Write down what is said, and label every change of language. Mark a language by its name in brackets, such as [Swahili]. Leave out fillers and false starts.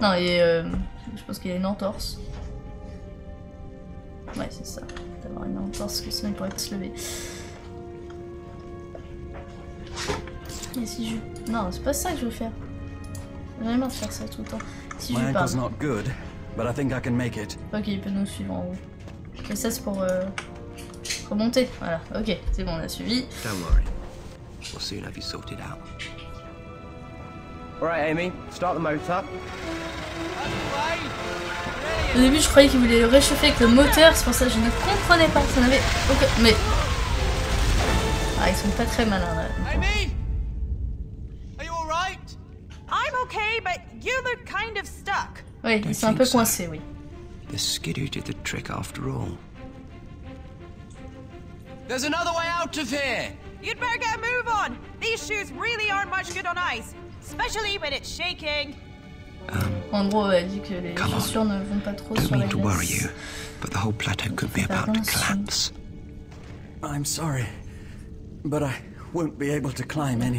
[French] Non, et je pense qu'il a une entorse. Ouais, c'est ça. D'avoir une entorse, que sinon il pourrait se lever. Et si je... Non, c'est pas ça que je veux faire. J'ai marre de faire ça tout le temps. Si [English] my [French] je parle. [English] Not good, but I think I can make it. [French] Ok, il peut nous suivre en haut. Et ça, c'est pour remonter. Voilà, ok, c'est bon, on a suivi. [English] Don't worry. We'll soon have you sorted out. Alright, Amy, start the motor. [French] Au début, je croyais qu'il voulait le réchauffer avec le moteur, c'est pour ça que je ne comprenais pas. Ça n'avait aucun. Mais. Ah, ils sont pas très malins là. [English] Amy! Are you alright? I'm okay, but you look kind of stuck. [French] Ouais, ils sont un peu coincés, oui. [English] The skidoo did the trick after all. There's another way out of here! You'd better get a move on! These shoes really aren't much good on ice, especially when it's shaking! [French] En gros, elle dit que les chaussures ne vont pas trop sur la glace. [English] Worry you, but the whole plateau could be about to collapse. I'm sorry, but I won't be able to climb anything.